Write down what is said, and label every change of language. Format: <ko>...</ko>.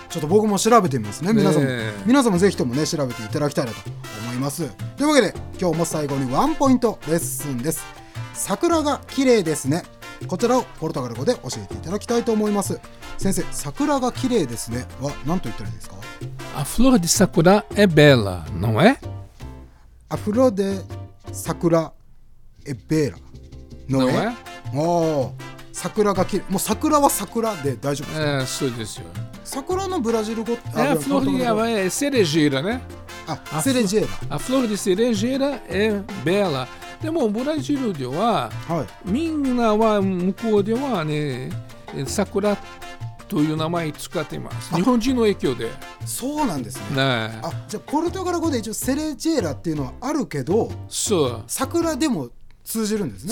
<ja>ちょっと僕も調べてみますね。皆さんもぜひともね調べていただきたいなと思います。というわけで今日も最後にワンポイントレッスンです。桜が綺麗ですね、こちらをポルトガル語で教えていただきたいと思います。先生、桜が綺麗ですねは何と言ったらいいですか。</ja> <pt>A flor de sakura é bela, não é? A flor de sakura é bela, não é? Não é?</pt> <ja>Oh, sakura が綺麗。もう桜は桜で大丈夫ですか？そうですよ。桜のブラジル語って</ja> <pt>、flor de cerejeira, né? Cerejeira. A flor de cerejeira é bela.</pt> <ja>でもブラジルでは、はい、みんなは向こうではね、桜という名前使っています、日本人の影響で。そうなんですね。ね、あ、じゃあポルトガル語で一応セレジェラっていうのはあるけど、そう、桜でも通じるんですね。</ja>